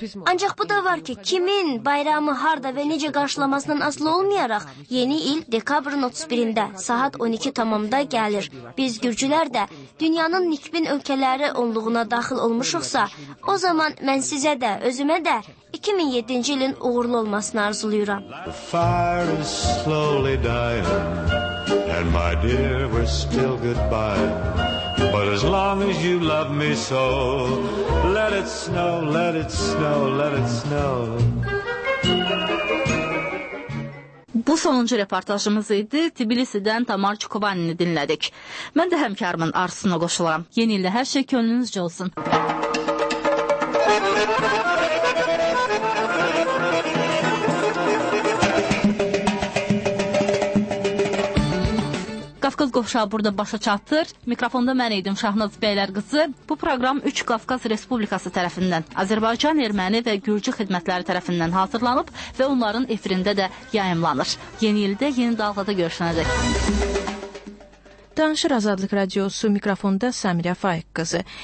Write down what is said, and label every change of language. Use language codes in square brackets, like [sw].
[az] Ancaq bu da var ki, kimin bayramı harda və necə qarşılamasından asılı olmayaraq, yeni il dekabrın 31-də saat 12 tamamda gəlir. Biz gürcülər də dünyanın nikbin ölkələri onluğuna daxil olmuşuqsa, o zaman mən sizə də, özümə də 2007-ci ilin uğurlu olmasını arzuluyuram. [en] The fire is slowly dying, and my dear, we're still goodbye. But as long as you love me so, let it snow, let it snow, let it snow. [az] Bu sonuncu reportajımız idi. Tbilisi'dən Tamar Çukubanini dinlədik. Mən də həmkarımın arzusuna qoşulam. Yeni ildə hər şey könlünüzcə olsun. Qafqaz Qovşağı burada başa çatır. Mikrofonda mən idim Şahnaz Bəylər qızı. Bu proqram 3 Qafqaz Respublikası tərəfindən, Azərbaycan, Erməni və Gürcü xidmətləri tərəfindən hazırlanıb və onların efirində də yayımlanır. Yeni ildə yeni dalğada görüşənədək. Danışır Azadlıq Radiosu, mikrofonda Samirə Faiq qızı.